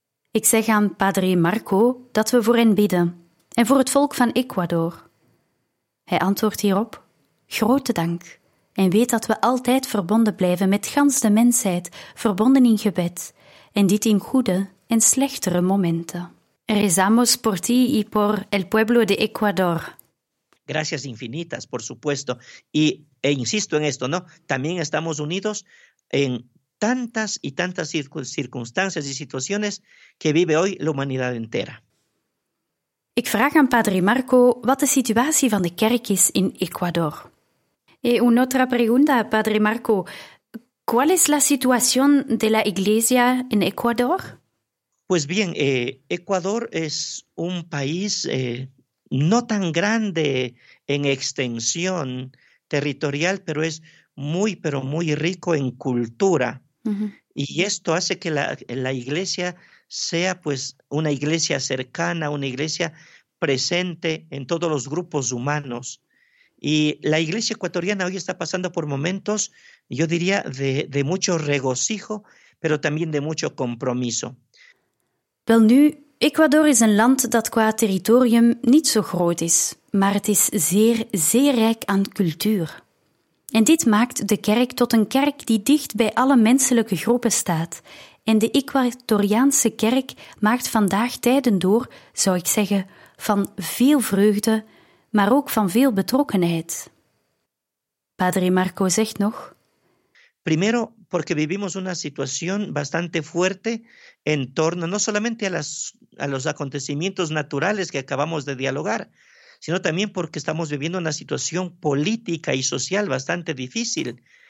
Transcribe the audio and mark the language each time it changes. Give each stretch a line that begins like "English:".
Dutch: Ik zeg aan Padre Marco dat we voor hen bidden en voor het volk van Ecuador. Hij antwoordt hierop: grote dank, en weet dat we altijd verbonden blijven met gans de mensheid, verbonden in gebed, en dit in goede en slechtere momenten.
Spanish: Rezamos por ti y por el pueblo de Ecuador. Gracias infinitas, por supuesto. Y insisto en esto, ¿no? También estamos unidos en tantas y tantas circunstancias y situaciones que vive hoy la humanidad entera. Ik vraag aan Padre Marco wat de situatie van de kerk is in Ecuador. Y una otra pregunta, Padre Marco. ¿Cuál es la situación de la iglesia en Ecuador? Pues bien, Ecuador es un país no tan grande en extensión territorial, pero es muy, pero muy rico en cultura. Uh-huh. Y esto hace que la iglesia sea pues una iglesia cercana, una iglesia presente en todos los grupos humanos. Y la iglesia ecuatoriana hoy está pasando por momentos, yo diría, de mucho regocijo, pero también de mucho compromiso.
Dutch: Wel nu, Ecuador is een land dat qua territorium niet zo groot is, maar het is zeer, zeer rijk aan cultuur. En dit maakt de kerk tot een kerk die dicht bij alle menselijke groepen staat. En de Ecuadoriaanse kerk maakt vandaag tijden door, zou ik zeggen, van veel vreugde, maar ook van veel betrokkenheid. Padre Marco zegt nog:
Spanish: primero, porque vivimos una situación bastante fuerte en torno no solamente a los acontecimientos naturales que acabamos de dialogar, sino también porque estamos viviendo una situación política y social bastante difícil.